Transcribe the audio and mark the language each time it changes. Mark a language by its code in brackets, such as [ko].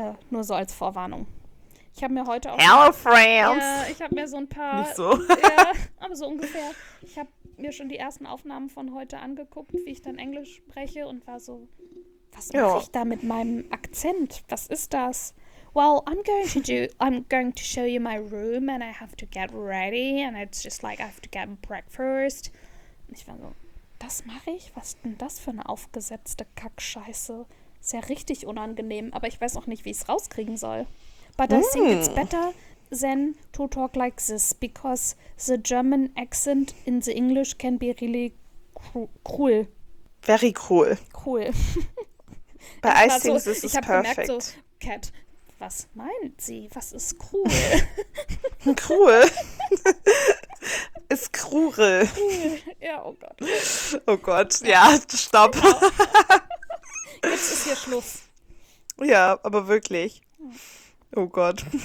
[de] Nur so als Vorwarnung. Ich habe mir heute auch... [en] Hello, France! [de] Ich habe mir so ein paar... Nicht so. Aber so ungefähr. Ich habe mir schon die ersten Aufnahmen von heute angeguckt, wie ich dann Englisch spreche und war so... Was mache ich da mit meinem Akzent? Was ist das? [en] Well, I'm going to show you my room and I have to get ready and it's just like I have to get breakfast. [de] Und ich war so, das mache ich? Was denn das für eine aufgesetzte Kackscheiße? Ist ja richtig unangenehm, aber ich weiß auch nicht, wie ich es rauskriegen soll. [en] But I think it's better than to talk like this because the German accent in the English can be really cruel. Very cruel. Cool. Bei I think so, this is perfect. [de] Ich habe gemerkt so, Kat, was meint sie? Was ist cruel? Cruel? Ist krurel. Ja, oh Gott. Oh Gott, ja, stopp. Genau. Jetzt ist hier Schluss. Ja, aber wirklich. Oh Gott.